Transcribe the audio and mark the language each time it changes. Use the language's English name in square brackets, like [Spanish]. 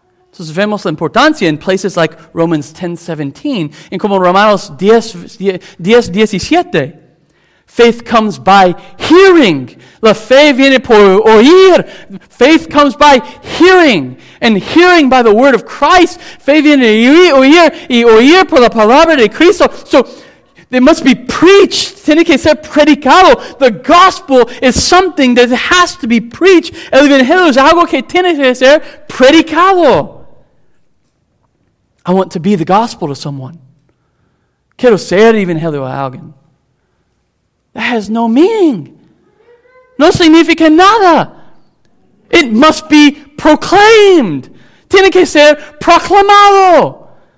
[Spanish] Entonces vemos la importancia en [English] places like Romans 10:17, [Spanish] en como Romanos 10:17. [English] Faith comes by hearing. [Spanish] La fe viene por oír. [English] Faith comes by hearing. And hearing by the word of Christ. [Spanish] Fe viene oír y oír por la palabra de Cristo. [English] So, it must be preached. [Spanish] Tiene que ser predicado. [English] The gospel is something that has to be preached. [Spanish] El evangelio es algo que tiene que ser predicado. [English] I want to be the gospel to someone. [Spanish] Quiero ser evangelio a alguien. [English] That has no meaning. [Spanish] No significa nada. [English] It must be proclaimed. [Spanish] Tiene que ser proclamado.